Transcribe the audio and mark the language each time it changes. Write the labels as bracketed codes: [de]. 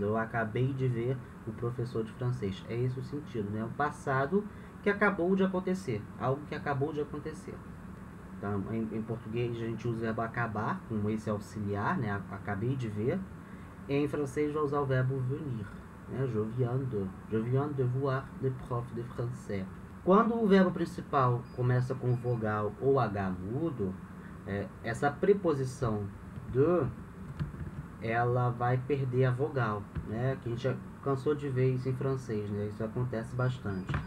[pt] Eu acabei de ver o professor de francês. É esse o sentido, né? O passado que acabou de acontecer. Algo que acabou de acontecer. Então, em português, a gente usa o verbo acabar, como esse auxiliar, né? Acabei de ver. E em francês, vou usar o verbo venir, né? [fr] Je viens de voir le prof de français. [pt] Quando o verbo principal começa com vogal ou H mudo, essa preposição de, ela vai perder a vogal, né? Que a gente já cansou de ver isso em francês, né? Isso acontece bastante.